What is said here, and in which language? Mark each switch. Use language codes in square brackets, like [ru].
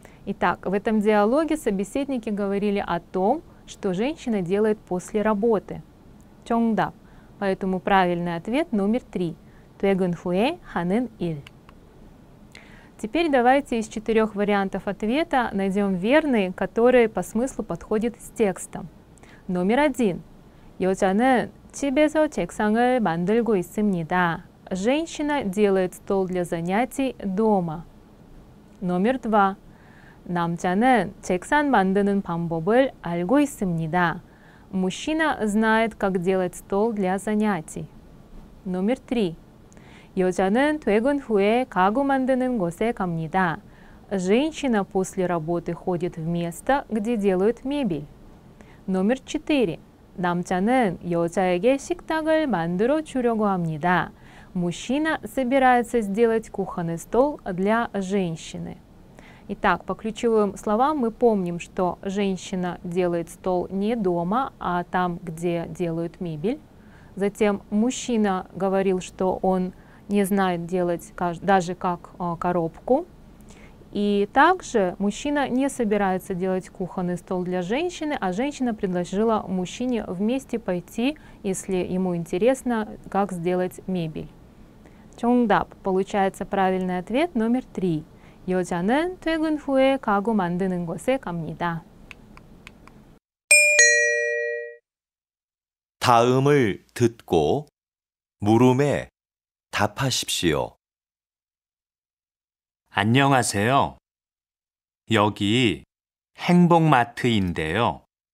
[ru] Итак, в этом диалоге собеседники говорили о том, что женщина делает после работы. [ko] 정답. [ru] Поэтому правильный ответ номер три. [ko] 퇴근 후에 하는 일. [ru] Теперь давайте из четырех вариантов ответа найдем верный, который по смыслу подходит с текстом. Номер один. [ko] 여자는 집에서 책상을 만들고 있습니다. [ru] Женщина делает стол для занятий дома. Номер два. [ko] 남자는 책상 만드는 방법을 알고 있습니다. [ru] Мужчина знает, как делать стол для занятий. Номер три. [ko] 여자는 퇴근 후에 가구 만드는 곳에 갑니다. [ru] Женщина после работы ходит в место, где делают мебель. Номер четыре. [ko] 남자는 여자에게 식탁을 만들어 주려고 합니다. [ru] Мужчина собирается сделать кухонный стол для женщины. Итак, по ключевым словам мы помним, что женщина делает стол не дома, а там, где делают мебель. Затем мужчина говорил, что он не знает делать даже как коробку. И также мужчина не собирается делать кухонный стол для женщины, а женщина предложила мужчине вместе пойти, если ему интересно, как сделать мебель. [ko] 정답. [ru] Получается правильный ответ номер три. [ko] 여자는 퇴근 후에 가구 만드는 곳에 갑니다. 다음을 듣고 물음에 답하십시오. 안녕하세요. 여기 행복마트인데요.